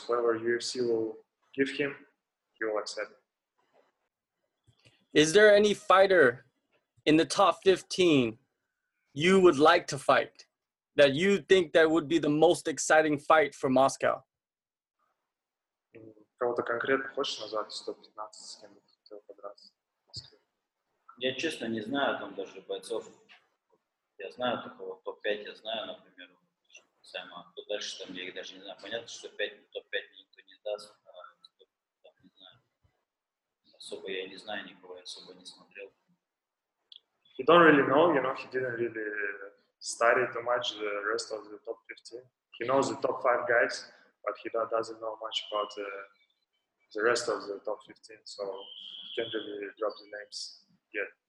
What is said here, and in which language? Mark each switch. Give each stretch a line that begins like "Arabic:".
English: Whoever UFC will give him, he will accept. Is there any fighter in the top 15 you would like to fight that you think that would be the most exciting fight for Moscow?
Russian: Кого-то конкретно хочешь назвать 115, с кем бы хотел подраться? Я честно не знаю там даже бойцов. Я знаю только вот топ-5, я знаю, например, Сэма. Кто дальше там, я их даже не знаю. Понятно, что топ-5 никто не даст, а топ-5, не знаю. Особо я не знаю никого, я особо не смотрел.
English: He don't really know, you know, he didn't really study too much the rest of the top 15. He knows the top 5 guys, but he doesn't know much about the rest of the top 15, so can't really drop the names yet.